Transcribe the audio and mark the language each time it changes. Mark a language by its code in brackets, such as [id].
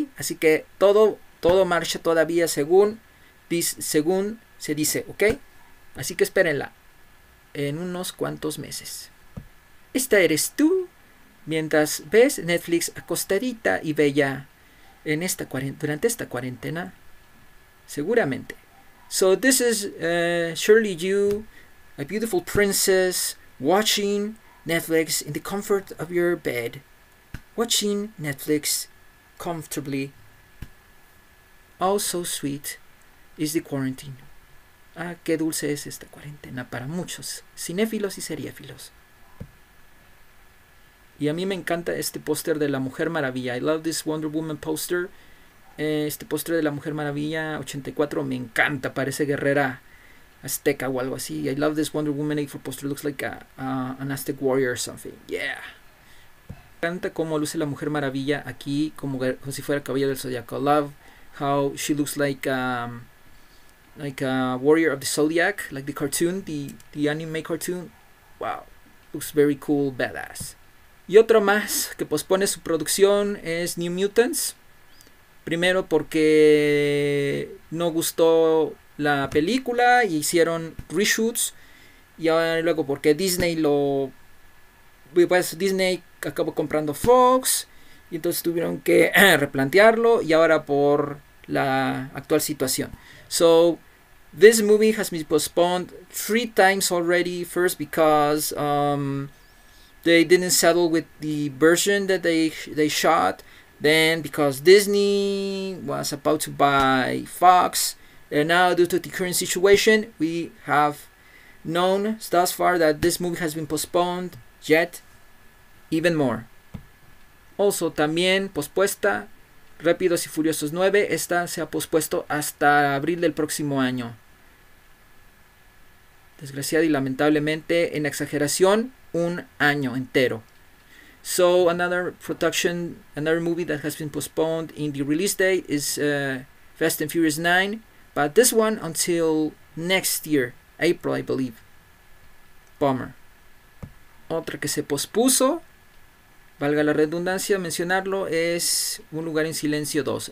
[es] Así que todo marcha todavía según se dice, ¿ok? Así que espérenla en unos cuantos meses. Esta eres tú mientras ves Netflix acostadita y bella en esta durante esta cuarentena. Seguramente. [en] So this is surely you, a beautiful princess, watching Netflix in the comfort of your bed. Watching Netflix comfortably. Oh, so sweet is the quarantine. [es] Ah, qué dulce es esta cuarentena para muchos cinéfilos y seriéfilos. Y a mí me encanta este póster de la Mujer Maravilla. [en] I love this Wonder Woman poster. [es] Este póster de la Mujer Maravilla 84 me encanta. Parece guerrera azteca o algo así. [en] I love this Wonder Woman 84 poster. Looks like an Aztec warrior or something. Yeah. [es] Me encanta cómo luce la Mujer Maravilla aquí, como si fuera el Caballero del Zodiaco. [en] Love how she looks like a warrior of the Zodiac, like the cartoon, the anime cartoon. Wow, looks very cool, badass. [es] Y otro más que pospone su producción es New Mutants. Primero porque no gustó la película y hicieron reshoots. Y ahora luego porque Disney lo. Pues Disney acabó comprando Fox. Y entonces tuvieron que replantearlo. Y ahora por la actual situación. [en] So, this movie has been postponed 3 times already. First because they didn't settle with the version that they shot. Then because Disney was about to buy Fox. And now due to the current situation, we have known thus far that this movie has been postponed yet even more. [es] Also, también pospuesta Rápidos y Furiosos 9. Esta se ha pospuesto hasta abril del próximo año. Desgraciada y lamentablemente, en exageración, un año entero. [en] So another production, another movie that has been postponed in the release date is Fast and Furious 9, but this one until next year, April, I believe. Bummer. [es] Otra que se pospuso, valga la redundancia mencionarlo, es Un Lugar en Silencio 2.